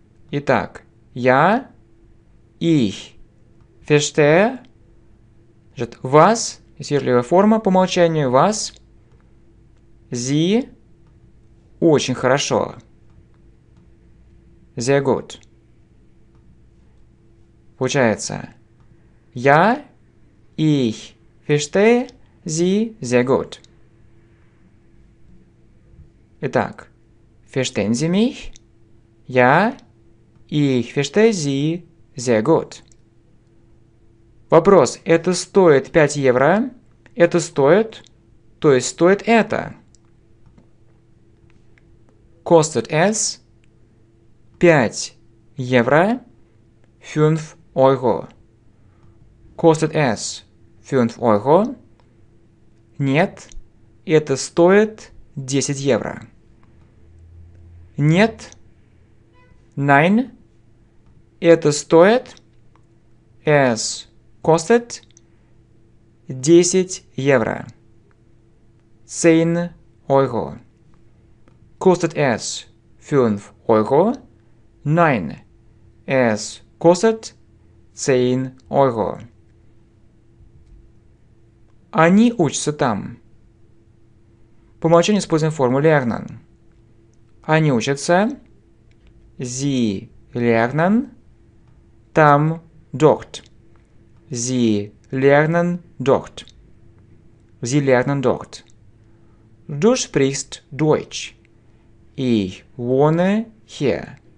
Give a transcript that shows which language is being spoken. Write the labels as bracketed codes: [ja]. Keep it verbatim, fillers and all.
[ru] Итак, я, [de] ich, verstehe, [ru] вас, сверхлевая форма по умолчанию, вас, sie, очень хорошо. [de] Sehr gut. [ru] Получается, я, [de] ich, verstehe, Sie sehr gut. [ru] Итак, [de] verstehen Sie mich? Ja, ich verstehe Sie sehr gut. [ru] Вопрос. Это стоит пять евро? Это стоит, то есть стоит это. [de] Kostet es [ru] пять евро, [de] fünf Euro. Kostet es fünf Euro. [ru] Нет, это стоит десять евро. Нет, nein, это стоит, [de] es kostet [ru] десять евро. [de] Zehn Euro. Kostet es fünf Euro? Nein, es kostet zehn Euro. [ru] Они учатся там. По умолчанию используем форму lernen. Они учатся. [de] Sie lernen [ru] там [de] dort. Sie lernen dort. Sie lernen dort. Du sprichst Deutsch. Ich wohne hier.